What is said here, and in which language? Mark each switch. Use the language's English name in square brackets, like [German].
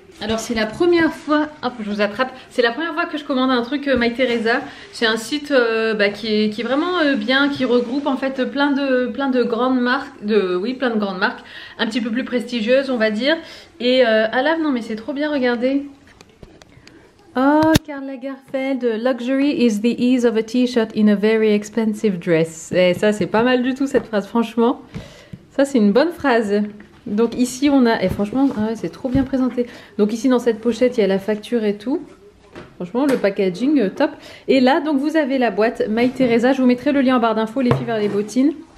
[French] Alors c'est la première fois, hop je vous attrape, c'est la première fois que je commande un truc My Teresa. C'est un site qui est vraiment bien, qui regroupe en fait plein de grandes marques, plein de grandes marques, un petit peu plus prestigieuses on va dire. Et Alav, non mais c'est trop bien, regardez. Oh, [English] Karl Lagerfeld, luxury is the ease of a t-shirt in a very expensive dress. [French] Et ça c'est pas mal du tout cette phrase, franchement. Ça c'est une bonne phrase. Donc ici on a, et franchement ouais, c'est trop bien présenté. Donc ici dans cette pochette il y a la facture et tout. Franchement le packaging top. Et là donc vous avez la boîte My Teresa. Je vous mettrai le lien en barre d'infos, les filles vers les bottines.